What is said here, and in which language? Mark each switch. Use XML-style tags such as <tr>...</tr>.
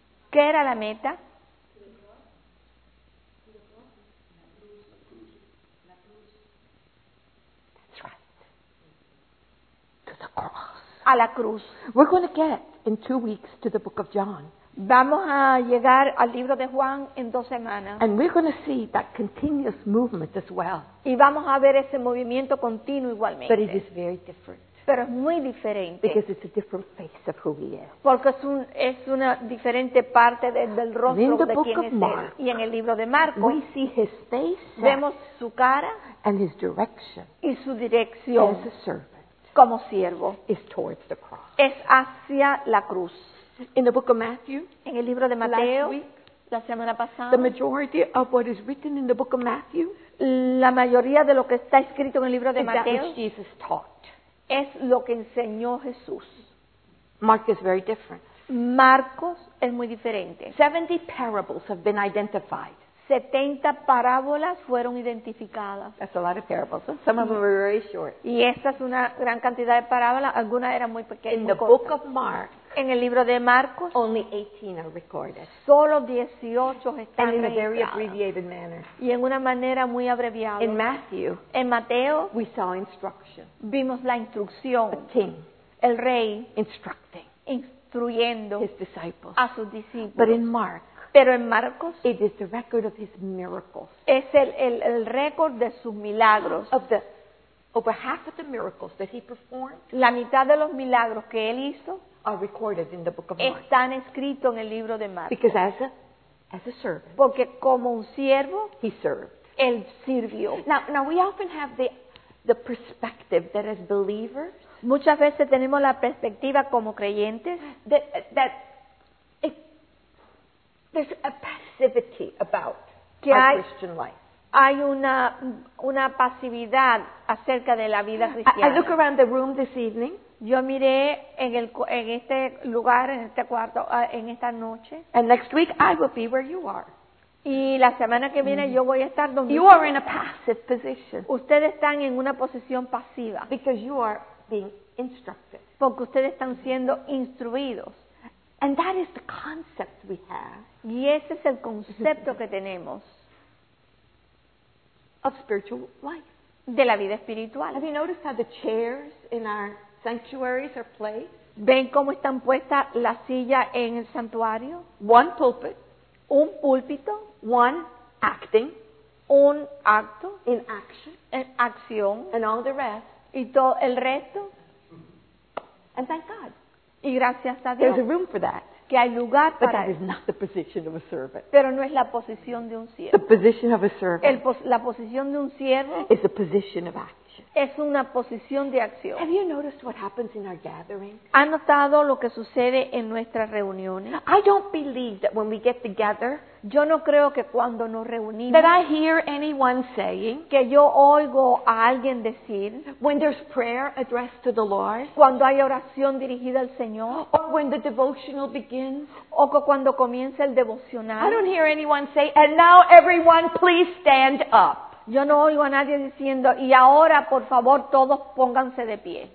<es>¿Qué era la meta?</es> <en>That's right. To the cross.</en> <es>A la cruz.</es> <en>We're going to get in 2 weeks to the book of John.</en> <es>Vamos a llegar al libro de Juan en 2 semanas.</es> <en>And we're going to see that continuous movement as well.</en> <es>Y vamos a ver ese movimiento continuo igualmente.</es> <en>But it is very different.</en> <es>Pero es muy diferente.</es> <en>Because it's a different face of who he is.</en> <es>Porque es una diferente parte del rostro de quién es él. Y en el libro de Marcos,</es> <en>we see his face,</en> <es>vemos su cara,</es> <en>and his direction,</en> <es>y su dirección</es> <en>as a servant,</en> <es>como siervo,</es> <en>is towards the cross.</en> <es>Es hacia la cruz.</es> <en>In the book of Matthew,</en> <es>en el libro de Mateo,</es> <en>last week,</en> <es>la semana pasada,</es> <en>the majority of what is written in the book of Matthew,</en> <es>la mayoría de lo que está escrito en el libro de</es> <en>is</en> <es>Mateo,</es> <en>that which Jesus taught.</en> <es>Es lo que enseñó Jesús.</es> <en>Mark is very different.</en> <es>Marcos es muy diferente.</es> <en>70 parables have been identified.</en> <es>70 parábolas fueron identificadas.</es> <en>That's a lot of parables. Some of them were very short.</en> <es>Y esa es una gran cantidad de parábolas. Algunas eran muy pequeñas.</es> <en>In the book of Mark,</en> <es>en el libro de Marcos,</es> <en>only 18 are recorded.</en> <es>Solo 18 están</es> <en>and in a very abbreviated manner.</en> <es>Y en una manera muy abreviada.</es> <en>In Matthew,</en> <es>en Mateo,</es> <en>we saw instruction.</en> <es>Vimos la instrucción.</es> <en>A king,</en> <es>el rey,</es> <en>instructing,</en> <es>instruyendo</es> <en>his disciples,</en> <es>a sus discípulos.</es> <en>But in Mark,</en> <es>pero en Marcos,</es> <en>it is the record of his miracles.</en> <es>Es el récord de sus milagros.</es> <en>Of the over half of the miracles that he performed,</en> <es>la mitad de los milagros que él hizo,</es> <en>are recorded in the book of Mark.</en> <es>Están escritos en el libro de Marcos.</es> <en>Because as a servant,</en> <es>porque como un siervo,</es> <en>he served.</en> <es>Él sirvió.</es> <en>Now we often have the perspective that as believers,</en> <es>muchas veces tenemos la perspectiva como creyentes</es> <en>that if there's a passivity about our Christian life.</en> <es>Hay una pasividad acerca de la vida cristiana.</es> <en>I look around the room this evening.</en> <es>Yo miré en este lugar, en este cuarto, en esta noche.</es> <en>And next week I will be where you are.</en> <es>Y la semana que viene yo voy a estar donde</es> <en>you are in a passive position.</en> <es>Ustedes están en una posición pasiva.</es> <en>Because you are being instructed.</en> <es>Porque ustedes están siendo instruidos.</es> <en>And that is the concept we have.</en> <es>Y ese es el concepto que tenemos.</es> <en>Of spiritual life.</en> <es>De la vida espiritual.</es> <en>Have you noticed how the chairs in our sanctuaries are placed?</en> <es>¿Ven cómo están puestas las sillas en el santuario?</es> <en>One pulpit.</en> <es>Un púlpito.</es> <en>One acting.</en> <es>Un acto.</es> <en>In action.</en> <es>En acción.</es> <en>And all the rest.</en> <es>Y todo el resto.</es> <en>And thank God.</en> <es>Y gracias a Dios.</es> <en>There's a room for that.</en> <es>Que hay lugar</es> <en>but</en> <es>para</es> <en>that is not the position of a servant.</en> <es>Pero no es la posición de un siervo.</es> <en>The position of a servant.</en> <es>La posición de un siervo</es> <en>is a position of action.</en> <es>Es una posición de acción.</es> <en>Have you noticed what happens in our gathering?</en> <es>¿Ha notado lo que sucede en nuestras reuniones?</es> <en>I don't believe that when we get together,</en> <es>yo no creo que cuando nos reunimos,</es> <en>that I hear anyone saying,</en> <es>que yo oigo a alguien decir,</es> <en>when there's prayer addressed to the Lord,</en> <es>cuando hay oración dirigida al Señor,</es> <en>or when the devotional begins,</en> <es>o cuando comienza el devocional,</es> <en>I don't hear anyone say, and now everyone please stand up.</en> <es>Yo no oigo a nadie diciendo, y ahora por favor todos pónganse de pie.</es>